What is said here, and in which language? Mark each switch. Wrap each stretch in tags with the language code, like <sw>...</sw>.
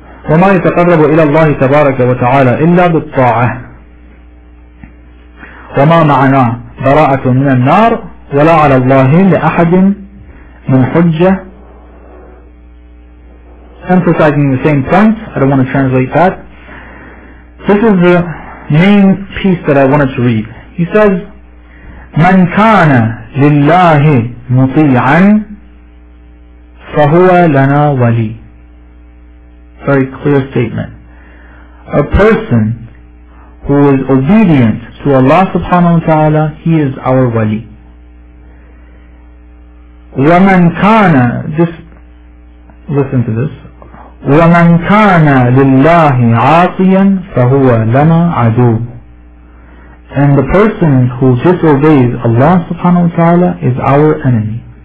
<ar>وما يتقرب إلى الله تبارك وتعالى إلا بالطاعة وما معنا براءة من النار ولا على الله لأحد من حجة</ar> <en>Emphasizing the same point, I don't want to translate that. This is the main piece that I wanted to read. He says,</en> <ar>من كان لله مطيعا فهو لنا ولي</ar> <en>Very clear statement. A person who is obedient to Allah subhanahu wa ta'ala, he is our wali.</en> <ar>وَمَنْ كَانَ</ar> <en>Just listen to this.</en> <ar>وَمَنْ كَانَ لِلَّهِ عَاطِيًا فَهُوَ لَنَا عَدُوٌ</ar> <en>And the person who disobeys Allah subhanahu wa ta'ala is our enemy.</en>